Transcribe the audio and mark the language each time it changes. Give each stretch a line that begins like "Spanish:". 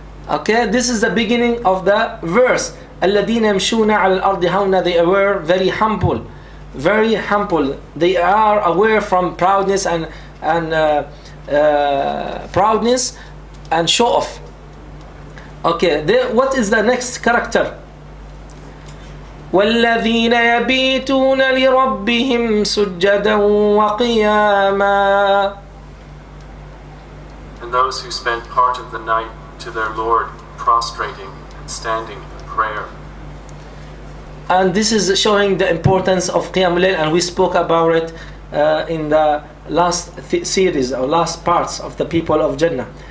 English: Okay, this is the beginning of the verse.
Arabic: الَّذِينَ يَمْشُونَ عَلَى الْأَرْضِ هَوْنًا.
English: They were very humble, very humble. They are aware from proudness and proudness and show off. Okay, what is the next character?
Arabic: والذين يبيتون لربهم سجدا وقياما.
English: And those who spend part of the night to their Lord prostrating and standing in prayer. And this is showing the importance of Qiyam al-Layl, and we spoke about it in the last series or last parts of the people of Jannah.